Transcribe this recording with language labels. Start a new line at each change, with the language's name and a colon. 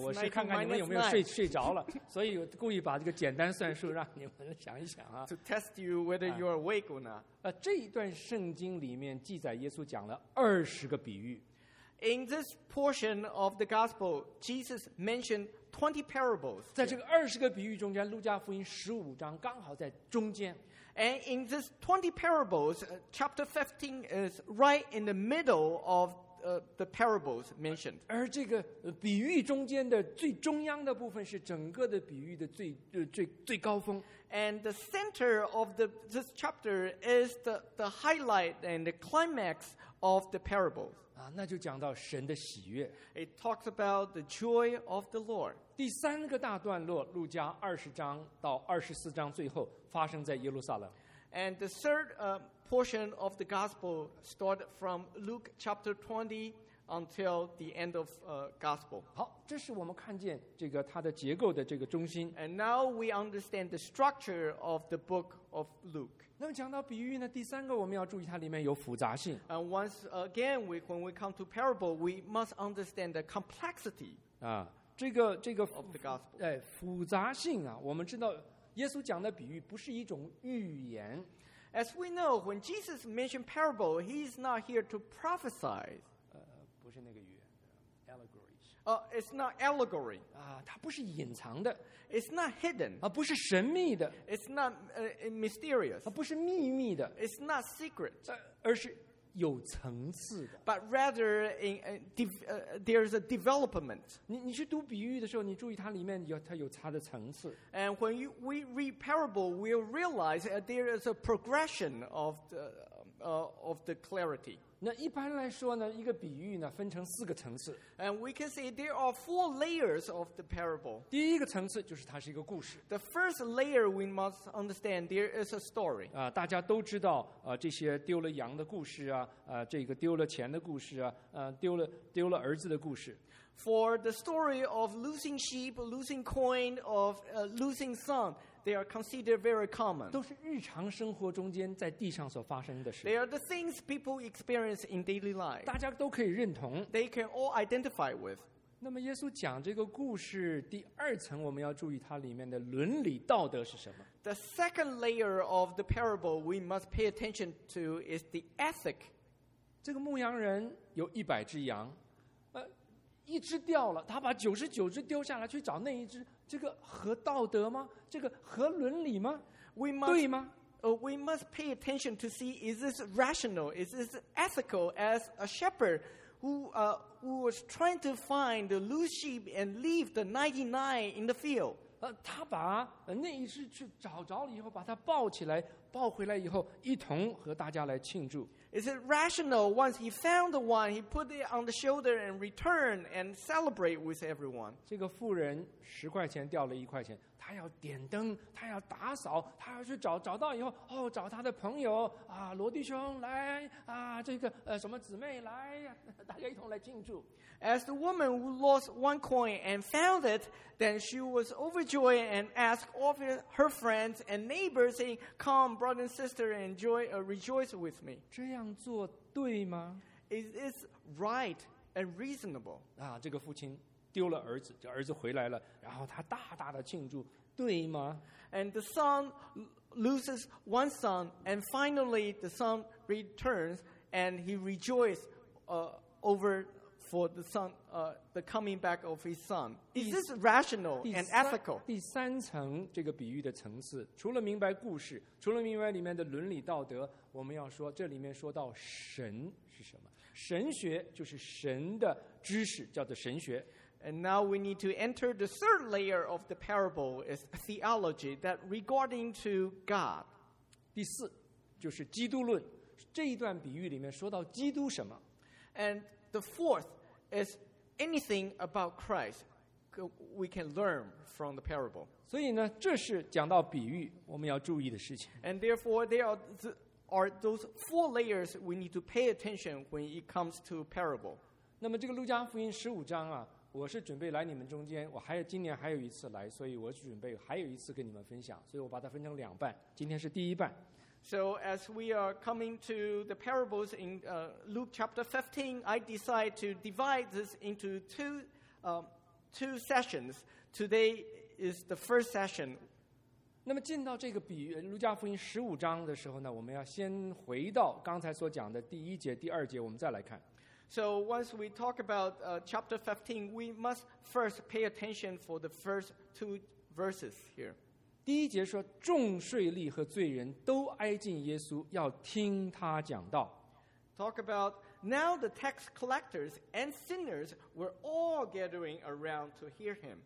Chinese: 我是看看你们有没有 睡着了，所以故意把这个简单算术让你们想一想啊。
English: To test you whether you are awake or not.
Chinese: 这一段圣经里面记载耶稣讲了二十个比喻。
English: In this portion of the gospel, Jesus mentioned 20 parables.
Chinese: 在这个二十个比喻中间，路加福音十五章刚好在中间。
English: And in this 20 parables, chapter 15 is right in the middle of the parables mentioned.
Chinese: 而这个比喻中间的最中央的部分是整个的比喻的最高峰。
English: And the center of this chapter is the highlight and the climax of the parables.
Chinese: 那就讲到神的喜悦。
English: It talks about the joy of the Lord.
Chinese: 第三个大段落，路加二十章到二十四章最后发生在耶路撒冷。
English: And the third portion of the gospel started from Luke chapter 20 until the end of gospel.
Chinese: 好，这是我们看见这个它的结构的这个中心。
English: And now we understand the structure of the book of Luke.
Chinese: 那么讲到比喻呢，第三个我们要注意它里面有复杂性。
English: And once again, when we come to parable, we must understand the complexity.
Chinese: 这个
English: of the gospel.
Chinese: 复杂性啊，我们知道。耶稣讲的比喻不是一种预言。
English: As we know, when Jesus mentioned parable, he is not here to prophesy.
Chinese: 不是那个预言 ，allegory.
English: It's not allegory.
Chinese: 它不是隐藏的。
English: It's not hidden.
Chinese: 不是神秘的。
English: It's not mysterious.
Chinese: 不是秘密的。
English: It's not secret.
Chinese: 而是有层次的。
English: But rather, there's a development.
Chinese: 你去读比喻的时候，你注意它里面有它有它的层次。
English: And when we read parable, we'll realize there is a progression of the clarity.
Chinese: 那一般来说呢，一个比喻呢分成四个层次。
English: And we can say there are four layers of the parable.
Chinese: 第一个层次就是它是一个故事。
English: The first layer we must understand there is a story.
Chinese: 大家都知道这些丢了羊的故事啊，这个丢了钱的故事啊，丢了儿子的故事。
English: For the story of losing sheep, losing coin, of losing son, they are considered very common.
Chinese: 都是日常生活中间在地上所发生的事。
English: They are the things people experience in daily life.
Chinese: 大家都可以认同。
English: They can all identify with.
Chinese: 那么耶稣讲这个故事第二层，我们要注意它里面的伦理道德是什么。
English: The second layer of the parable we must pay attention to is the ethic.
Chinese: 这个牧羊人有一百只羊。一只掉了，他把九十九只丢下来去找那一只，这个合道德吗？这个合伦理吗？
English: We must,
Chinese: 对吗？
English: We must pay attention to see is this rational, is this ethical as a shepherd who was trying to find the lost sheep and leave the 99 in the field.
Chinese: 他把那一只去找着了以后，把它抱起来，抱回来以后，一同和大家来庆祝。
English: Is it rational? Once he found the one, he put it on the shoulder and returned and celebrate with everyone.
Chinese: 这个妇人十块钱掉了一块钱，她要点灯，她要打扫，她要去找，找到以后，哦，找她的朋友啊，罗弟兄来啊，这个什么姊妹来，大家一同来庆祝。
English: As the woman who lost one coin and found it, then she was overjoyed and asked all her friends and neighbors, saying, "Come, brother and sister, enjoy, rejoice with me."
Chinese: 这样做对吗？
English: Is this right and reasonable?
Chinese: 啊，这个父亲丢了儿子，这儿子回来了，然后他大大的庆祝，对吗？
English: And the son loses one son, and finally the son returns, and he rejoices over. For the son, the coming back of his son. Is this rational and ethical?
Chinese: 第三层这个比喻的层次，除了明白故事，除了明白里面的伦理道德，我们要说这里面说到神是什么？神学就是神的知识，叫做神学。
English: And now we need to enter the third layer of the parable is theology that regarding to God.
Chinese: 第四就是基督论，这一段比喻里面说到基督什么
English: ？And The fourth is anything about Christ we can learn from the parable.
Chinese: 所以呢，这是讲到比喻我们要注意的事情。
English: And therefore, there are those four layers we need to pay attention when it comes to parable.
Chinese: 那么这个路加福音十五章啊，我是准备来你们中间，我还有今年还有一次来，所以我准备还有一次跟你们分享，所以我把它分成两半，今天是第一半。
English: So as we are coming to the parables in Luke chapter 15, I decide to divide this into two sessions. Today is the first session.
Chinese: 那么进到这个比喻，路加福音十五章的时候呢，我们要先回到刚才所讲的第一节、第二节，我们再来看。
English: So once we talk about chapter 15, we must first pay attention for the first two verses here.
Chinese: 第一节说，众税吏和罪人都挨近耶稣，要听他讲道。
English: Talk about now the tax collectors and sinners were all gathering around to hear him.